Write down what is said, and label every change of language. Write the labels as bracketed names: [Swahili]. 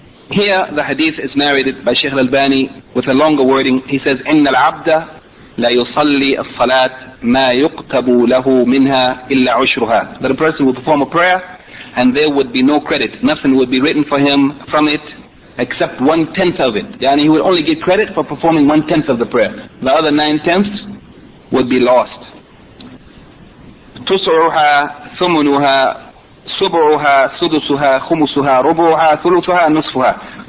[English] Here the hadith is narrated by Sheikh Al-Albani with a longer wording. He says, [Arabic] إِنَّ الْعَبْدَ لَيُصَلِّ الصَّلَاةِ مَا يُقْتَبُ لَهُ مِنْهَا إِلَّا عُشْرُهَا. [English] That a person will perform a prayer and there would be no credit. Nothing would be written for him from it except 1/10 of it. Yani he would only get credit for performing 1/10 of the prayer. The other 9/10 would be lost. [Arabic] تُسْعُهَا ثُمُنُهَا صُبُعُهَا صُدُسُهَا خُمُسُهَا رُبُعُهَا ثُلُثُهَا نُصْفُهَا.